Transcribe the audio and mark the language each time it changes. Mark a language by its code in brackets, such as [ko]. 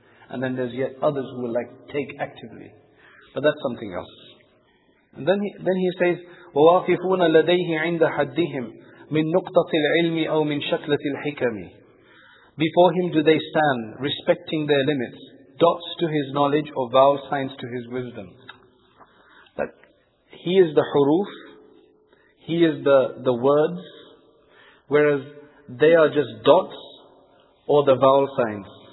[en] And then there's yet others who will like take actively. But that's something else. And then he says, [ar] وَوَاقِفُونَ لَدَيْهِ عِنْدَ حَدِّهِمْ مِنْ نُقْطَةِ الْعِلْمِ أَوْ مِنْ شَكْلَةِ الْحِكَمِ. [en] Before him do they stand, respecting their limits, dots to his knowledge or vowel signs to his wisdom. That he is the huruf, he is the words, whereas they are just dots or the vowel signs.